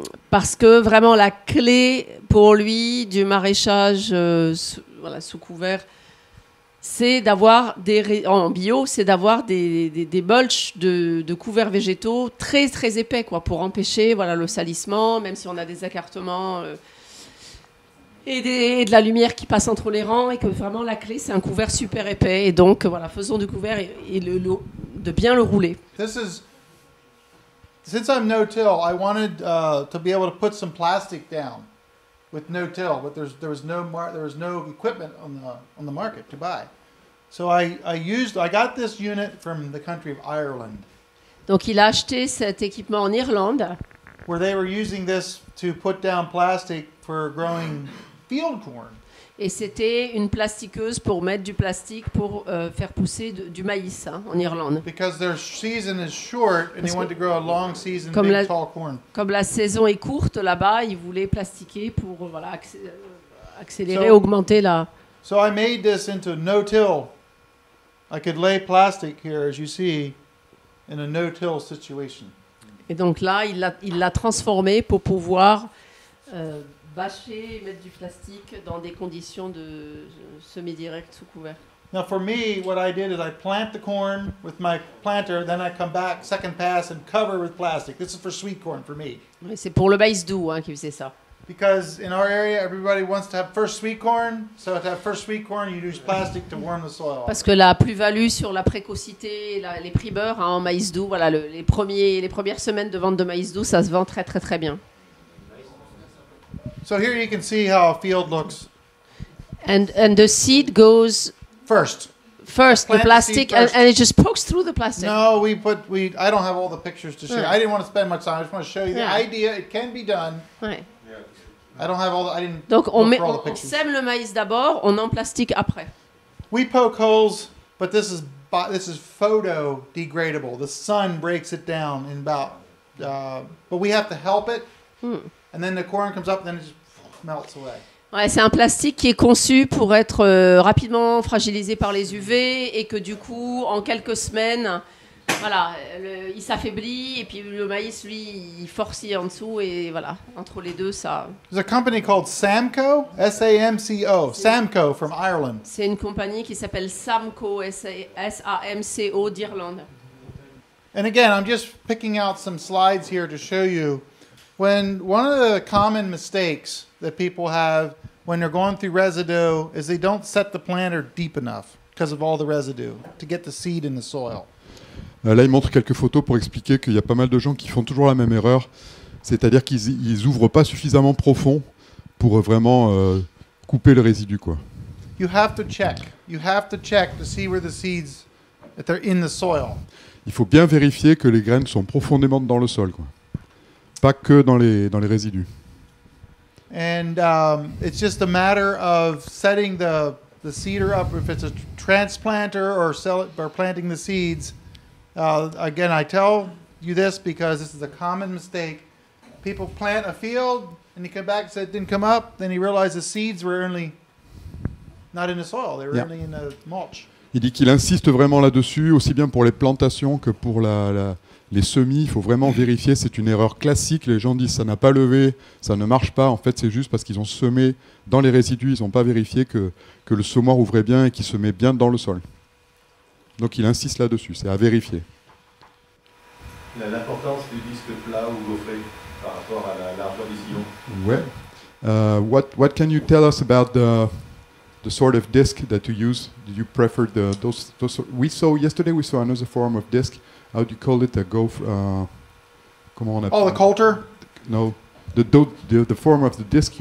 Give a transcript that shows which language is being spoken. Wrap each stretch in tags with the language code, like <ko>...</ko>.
<fr>Parce que vraiment la clé pour lui du maraîchage sous couvert, c'est d'avoir des bulches de couverts végétaux très très épais quoi pour empêcher voilà le salissement même si on a des écartements et de la lumière qui passe entre les rangs et que vraiment la clé c'est un couvert super épais et donc voilà faisons du couvert et de bien le rouler.</fr> <en>This is since I'm no till, I wanted to be able to put some plastic down with no till, but there was no equipment on the market to buy. So I got this unit from the country of Ireland.</en> <fr>Donc il a acheté cet équipement en Irlande.</fr> <en>Where they were using this to put down plastic for growing field corn.</en> <fr>Et c'était une plastiqueuse pour mettre du plastique pour faire pousser du maïs hein, en Irlande.</fr> <en>Because their season is short and they want to grow a long season big tall corn.</en> <fr>Comme la saison est courte là-bas, ils voulaient plastiquer pour voilà accélérer, augmenter la.</fr> <en>So I made this into no-till. I could lay plastic here, as you see, in a no-till situation.</en> <fr>Et donc là, il l'a transformé pour pouvoir bâcher et mettre du plastique dans des conditions de semi-direct sous couvert.</fr> <en>Now for me, what I did is I plant the corn with my planter, then I come back, second pass, and cover with plastic. This is for sweet corn, for me.</en> <fr>Mais c'est pour le maïs doux hein, qui faisait ça.</fr> <en>Because in our area, everybody wants to have first sweet corn. So to have first sweet corn, you use plastic to warm the soil.</en> <fr>Parce que la plus-value sur la précocité, les primeurs hein, en maïs doux, voilà, les premières semaines de vente de maïs doux, ça se vend très, très, très bien.</fr> <en>So here you can see how a field looks. And the seed goes... First. First, the plastic, and it just pokes through the plastic. No, I don't have all the pictures to share. I didn't want to spend much time. I just want to show you the idea. It can be done. Right. I don't have all the, I didn't</en> <fr>Donc on,</fr> <en>met, all</en> <fr>on sème le maïs d'abord, on en plastique après.</fr> <en>We poke holes, but this is photo degradable. The sun breaks it down in about, but we have to help it, and then the corn comes up, and then it just melts away.</en> <fr>Ouais, c'est un plastique qui est conçu pour être rapidement fragilisé par les UV et que du coup, en quelques semaines, voilà, il s'affaiblit et puis le maïs, lui, il forcit en dessous et voilà, entre les deux, ça...</fr> <en>There's a company called Samco, S-A-M-C-O, Samco from Ireland.</en> <fr>C'est une compagnie qui s'appelle Samco, S-A-M-C-O d'Irlande.</fr> <en>And again, I'm just picking out some slides here to show you when one of the common mistakes that people have when they're going through residue is they don't set the planter deep enough because of all the residue to get the seed in the soil.</en> <fr>Là, il montre quelques photos pour expliquer qu'il y a pas mal de gens qui font toujours la même erreur, c'est-à-dire qu'ils ouvrent pas suffisamment profond pour vraiment couper le résidu, quoi.</fr> <en>You have to check. You have to check to see where the seeds that they're in the soil.</en> <fr>Il faut bien vérifier que les graines sont profondément dans le sol, quoi. Pas que dans les résidus.</fr> <en>And it's just a matter of setting the seeder up if it's a transplanter or sell it, or planting the seeds. Again, I tell you this because this is a common mistake. People plant a field and you come back and say it didn't come up, then he realized the seeds were only not in the soil, they were only in the mulch.</en> <fr>Il dit qu'il insiste vraiment là-dessus, aussi bien pour les plantations que pour les semis. Il faut vraiment vérifier, c'est une erreur classique. Les gens disent ça n'a pas levé, ça ne marche pas. En fait, c'est juste parce qu'ils ont semé dans les résidus, ils n'ont pas vérifié que le semoir ouvrait bien et qu'il semait bien dans le sol. Donc il insiste là-dessus, c'est à vérifier. L'importance du disque plat ou gaufré par rapport à la largeur du sillon. Ouais.</fr> <en>What can you tell us about the sort of disc that you use? Do you prefer those? We saw another form of disc. How do you call it? The coulter. No, the form of the disc.</en>